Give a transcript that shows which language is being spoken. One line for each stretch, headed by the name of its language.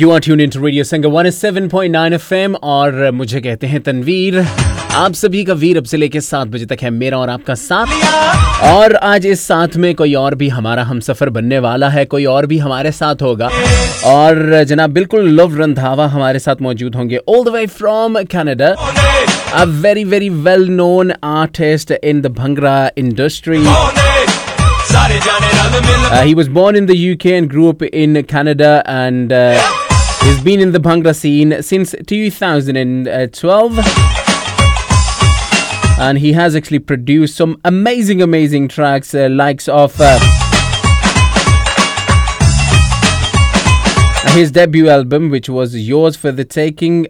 English: You are tuned into Radio Sangam 107.9 FM
Hindi: और मुझे कहते हैं तनवीर. आप सभी का वीर अब से लेके 7 बजे तक है, मेरा और आपका साथ. और आज इस साथ में कोई और भी हमारा हम सफर बनने वाला है, कोई और भी हमारे साथ होगा. और जनाब बिल्कुल लव रंधावा हमारे साथ मौजूद होंगे,
English: All the way from Canada, a very very well known artist in the Bhangra industry. He was born in the UK and grew up in Canada, and he's been in the Bhangra scene since 2012. And he has actually produced some amazing, amazing tracks, likes of his debut album, which was Yours for the Taking.